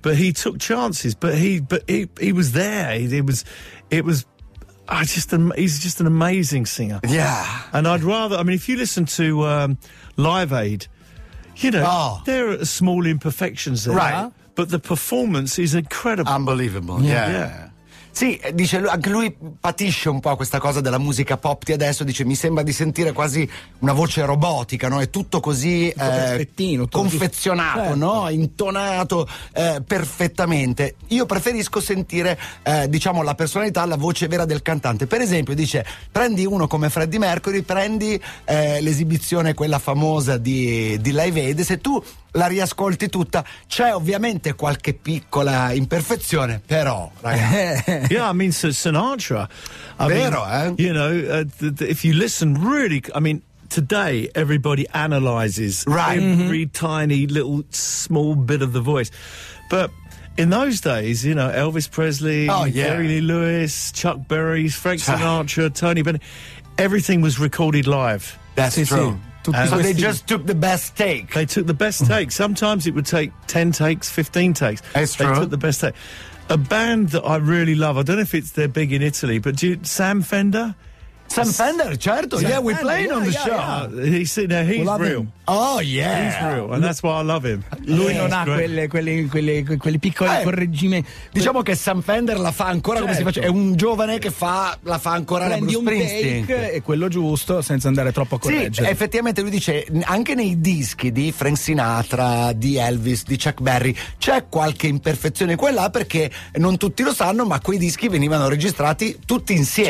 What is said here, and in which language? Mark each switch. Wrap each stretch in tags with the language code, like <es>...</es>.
<en>But he took chances. But he was there. He's just an amazing singer. Yeah. And I'd rather, I mean, if you listen to Live Aid, you know, there are small imperfections there. Right. But the performance is incredible. Unbelievable. Yeah. Yeah.</en> <it>Sì, dice lui, anche lui patisce un po' questa cosa della musica pop di adesso, dice mi sembra di sentire quasi una voce robotica, no? È tutto così confezionato, certo. No? Intonato perfettamente. Io preferisco sentire diciamo la personalità, la voce vera del cantante. Per esempio dice, prendi uno come Freddie Mercury, prendi l'esibizione quella famosa di Live Aid, se tu la riascolti tutta, c'è ovviamente qualche piccola imperfezione, però ragazzi.</it> <en>Yeah, I mean, so Sinatra, I</en> <it>vero</it> <en>mean, eh, you know, if you listen really, I mean, today everybody analyzes right. every mm-hmm. tiny little small bit of the voice, but in those days, you know, Elvis Presley, Jerry Lee Lewis, Chuck Berry, Frank Sinatra, Tony Bennett, everything was recorded live. That's true. So they just took the best take. They took the best take. Sometimes it would take 10 takes, 15 takes. That's true. They took the best take. A band that I really love, I don't know if it's they're big in Italy, but Sam Fender? Sam Fender, certo. Sam Fender, we're playing on the show. Yeah. He's we'll real. Oh, yeah. He's real, and that's why I love him.</en> <it>Lui non ha quelle piccole correggime. Diciamo che Sam Fender la fa ancora come si faceva. È un giovane che la fa ancora la Bruce Springsteen. Prendi un take, è quello giusto, senza andare troppo a correggere. Sì, effettivamente lui dice, anche nei dischi di Frank Sinatra, di Elvis, di Chuck Berry, c'è qualche imperfezione qua e là, perché non tutti lo sanno, ma quei dischi venivano registrati tutti insieme.</it>